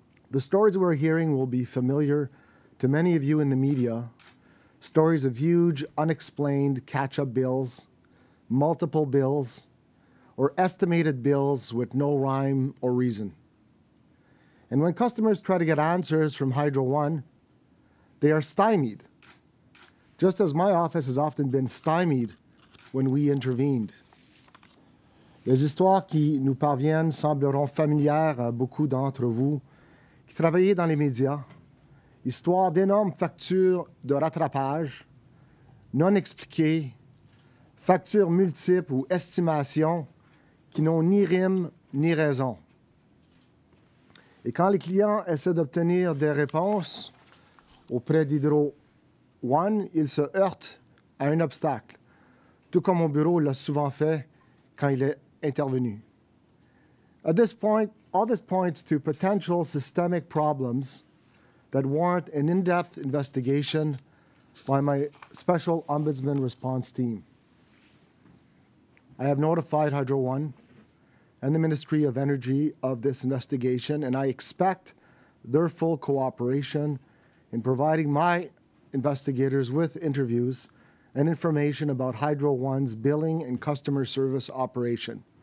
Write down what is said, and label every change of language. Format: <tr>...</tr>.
<en>The stories we're hearing will be familiar to many of you in the media, stories of huge, unexplained catch-up bills, multiple bills, or estimated bills with no rhyme or reason. And when customers try to get answers from Hydro One, they are stymied, just as my office has often been stymied when we intervened.</en> <fr>Les histoires qui nous parviennent sembleront familières à beaucoup d'entre vous qui travaillez dans les médias, histoires d'énormes factures de rattrapage, non expliquées, factures multiples ou estimations qui n'ont ni rime ni raison. Et quand les clients essaient d'obtenir des réponses auprès d'Hydro One, ils se heurtent à un obstacle, tout comme mon bureau l'a souvent fait quand il est intervenu.</fr> <en>At this point, all this points to potential systemic problems that warrant an in-depth investigation by my special ombudsman response team. I have notified Hydro One and the Ministry of Energy of this investigation, and I expect their full cooperation in providing my investigators with interviews and information about Hydro One's billing and customer service operation.</en>